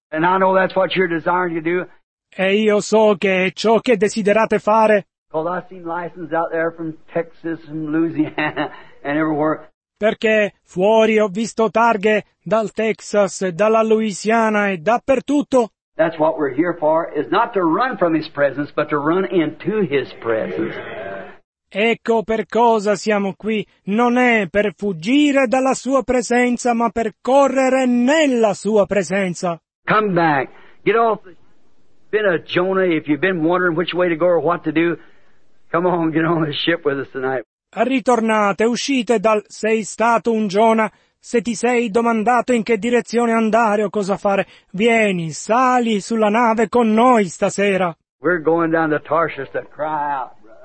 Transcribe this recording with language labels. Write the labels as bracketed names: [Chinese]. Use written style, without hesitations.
[English] And I know that's what you're desiring to do. [Italian] E io so che è ciò che desiderate fare. [English] Well, I've seen license out there from Texas and Louisiana and everywhere. [Italian] Perché fuori ho visto targhe dal Texas, dalla Louisiana e dappertutto. [English] That's what we're here for, is not to run from his presence, but to run into his presence. [Italian] Ecco per cosa siamo qui, non è per fuggire dalla sua presenza, ma per correre nella sua presenza. [English] Come back, get off, been a Jonah, if you've been wondering which way to go or what to do, come on, get on the ship with us tonight. [Italian] Ritornate, uscite dal sei stato un Giona, se ti sei domandato in che direzione andare o cosa fare, vieni, sali sulla nave con noi stasera. [English] We're going down to Tarshish to cry out.